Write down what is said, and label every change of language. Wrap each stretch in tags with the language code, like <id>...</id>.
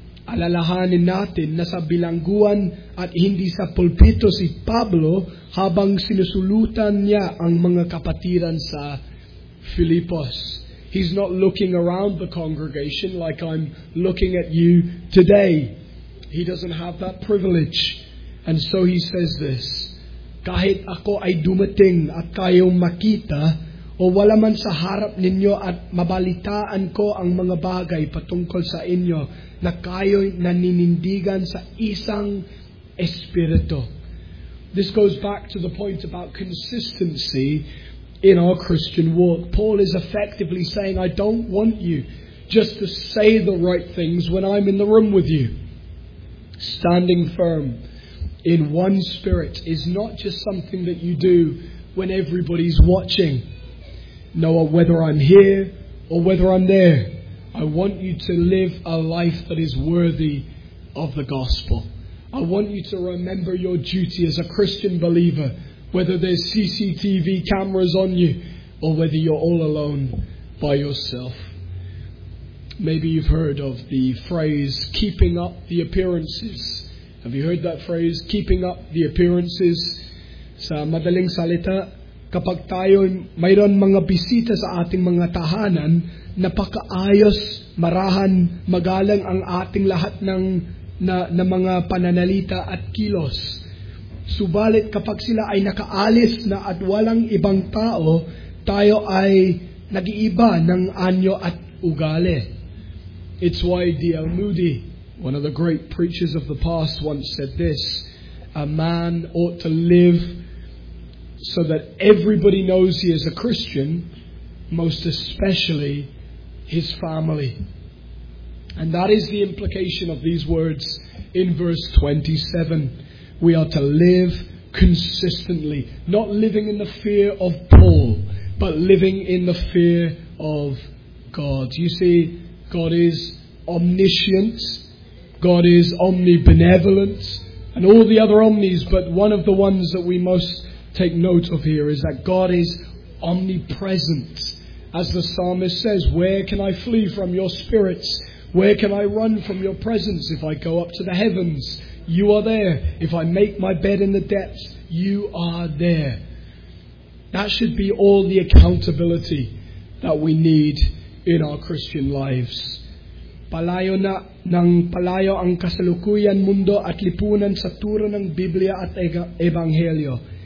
<tl>Alalahanin natin na sa bilangguan at hindi sa pulpito si Pablo habang sinusulutan niya ang mga kapatiran sa Filipos.</tl> <en>He's not looking around the congregation like I'm looking at you today. He doesn't have that privilege. And so he says this,</en> <tl>kahit ako ay dumating at kayo makita, o wala man sa harap ninyo at mabalitaan ko ang mga bagay patungkol sa inyo na kayo'y naninindigan sa isang Espiritu.</tl> <en>This goes back to the point about consistency in our Christian walk. Paul is effectively saying, I don't want you just to say the right things when I'm in the room with you. Standing firm in one spirit is not just something that you do when everybody's watching. No, whether I'm here or whether I'm there, I want you to live a life that is worthy of the gospel. I want you to remember your duty as a Christian believer, whether there's CCTV cameras on you or whether you're all alone by yourself. Maybe you've heard of the phrase, keeping up the appearances. Have you heard that phrase, keeping up the appearances?</en> <tl>Sa madaling salita, kapag tayo mayroon mga bisita sa ating mga tahanan, napakaayos, marahan, magaling ang ating lahat ng na mga pananalita at kilos. Subalit kapag sila ay nakaalis na at walang ibang tao, tayo ay nag-iiba ng anyo at ugali.</tl> <en>It's why D.L. Moody, one of the great preachers of the past, once said this, a man ought to live so that everybody knows he is a Christian, most especially his family. And that is the implication of these words in verse 27. We are to live consistently, not living in the fear of Paul, but living in the fear of God. You see, God is omniscient, God is omnibenevolent, and all the other omnis, but one of the ones that we most take note of here is that God is omnipresent. As the psalmist says, where can I flee from your spirits? Where can I run from your presence? If I go up to the heavens, you are there. If I make my bed in the depths, you are there. That should be all the accountability that we need in our Christian lives.</en> <tl>Palayo na ng palayo ang kasalukuyan mundo at lipunan sa turo ng Biblia at Ebanghelyo.</tl>